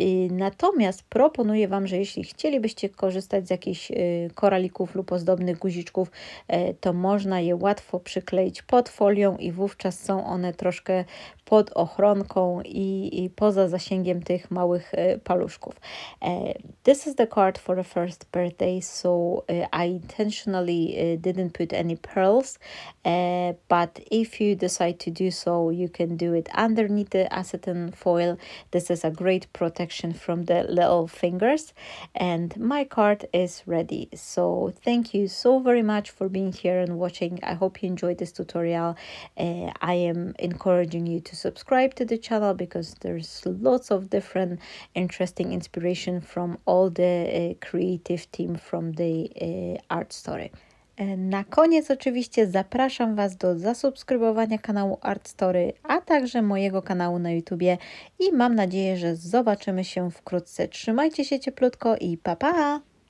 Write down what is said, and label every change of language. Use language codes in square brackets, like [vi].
[pl] Natomiast proponuję Wam, że jeśli chcielibyście korzystać z jakichś koralików lub ozdobnych guziczków, to można je łatwo przykleić pod folią i wówczas są one troszkę pod ochronką i poza zasięgiem tych małych paluszków. [en] This is the card for the first birthday, so I intentionally didn't put any pearls, but if you decide to do so, you can do it underneath the acetone foil. This is a great protection from the little fingers. And my card is ready. So thank you so very much for being here and watching. I hope you enjoyed this tutorial. I am encouraging you to subscribe to the channel because there's lots of different interesting inspiration from all the creative team from the art story. [pl] Na koniec oczywiście zapraszam Was do zasubskrybowania kanału Art Story, a także mojego kanału na YouTubie i mam nadzieję, że zobaczymy się wkrótce. Trzymajcie się cieplutko i pa pa!